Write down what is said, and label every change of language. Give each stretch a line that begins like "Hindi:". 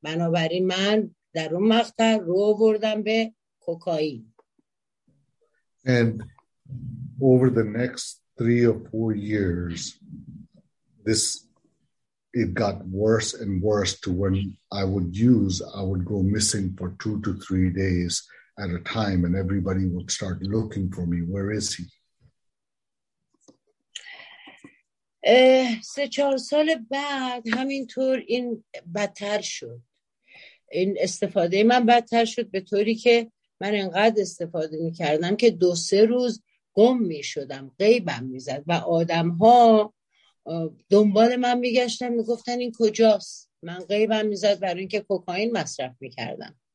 Persian: بنابراین من در اون مقطع رو بردم به کوکائین.
English: And over the next 3 or 4 years, it got worse and worse to when I would go missing for 2 to 3 days at a time, and everybody would start looking for me. Where is he?
Persian: 3-4 سال بعد همینطور این بدتر شد، این استفاده من بدتر شد، به طوری که من انقدر استفاده می کردم که 2-3 روز گم می شدم، غیبم می زد و آدم ها دنبال من می گشتن، می گفتن این کجاست، من غیبم می زد برای اینکه کوکائین مصرف می کردم.